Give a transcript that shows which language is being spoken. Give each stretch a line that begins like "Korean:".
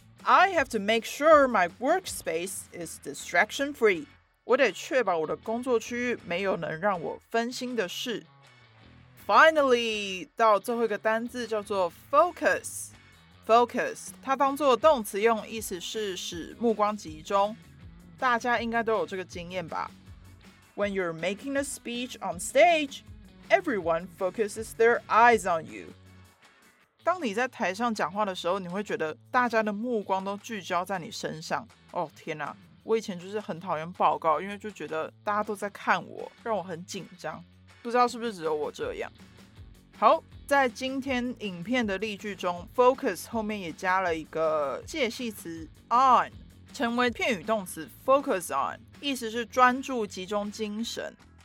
English: I have to make sure my workspace is distraction free，
Chinese: 我得确保我的工作区域没有能让我分心的事。 Finally 到最后一个单字叫做 focus。 Focus 它当作动词用，意思是使目光集中。大家应该都有这个经验吧。
English: When you're making a speech on stage, everyone focuses their eyes on you.
Chinese: 当你在台上讲话的时候，你会觉得大家的目光都聚焦在你身上。哦，天哪，我以前就是很讨厌报告，因为就觉得大家都在看我，让我很紧张。不知道是不是只有我这样。好，在今天影片的例句中 focus 后面也加了一个介系词 on， 成为片语动词 focus on， 意思是专注集中精神。